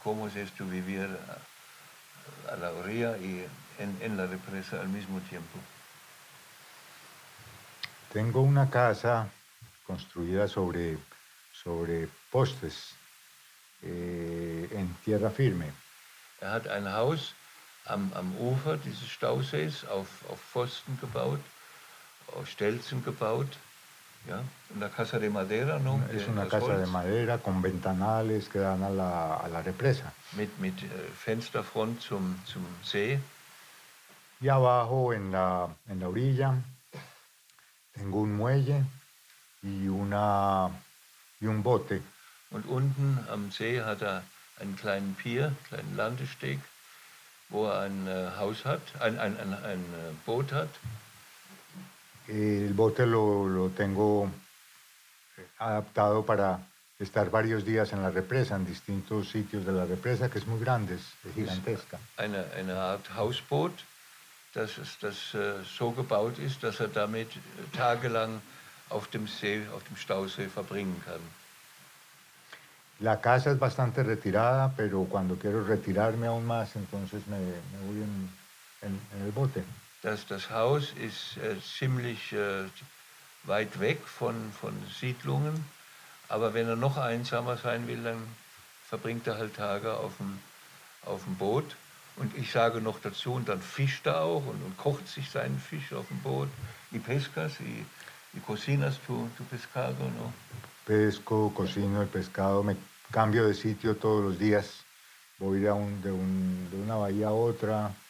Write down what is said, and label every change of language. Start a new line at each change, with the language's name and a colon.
Spanish: ¿Cómo es tu vivir a la orilla y en la represa al mismo tiempo? Tengo una casa construida sobre postes en tierra firme.
German: Er hat ein Haus am Ufer dieses Stausees auf Pfosten gebaut, auf Stelzen gebaut.
Spanish: Ja, una casa de madera, ¿no? Es una casa de madera con ventanales que dan a la represa.
German: Mit Fensterfront zum See.
Spanish: Y abajo en la orilla tengo un muelle y un bote.
German: Und unten am See hat er einen kleinen Pier, kleinen Landesteg, wo er ein Haus hat, ein Boot hat.
Spanish: El bote lo tengo adaptado para estar varios días en la represa, en distintos sitios de la represa, que es muy grande, es gigantesca.
German: Eine Art Hausboot, das so gebaut ist, dass er damit tagelang auf dem See, auf dem Stausee verbringen kann.
Spanish: La casa es bastante retirada, pero cuando quiero retirarme aún más, entonces me voy en el bote.
German: Das Haus ist ziemlich weit weg von Siedlungen, aber wenn er noch einsamer sein will, dann verbringt er halt Tage auf dem Boot. Und ich sage noch dazu, und dann fischt er auch und kocht sich seinen Fisch auf dem Boot.
Spanish: Y pescas, y cocinas tu pescado, ¿no? Pesco, cocino el pescado, me cambio de sitio todos los días, voy de una bahía a otra.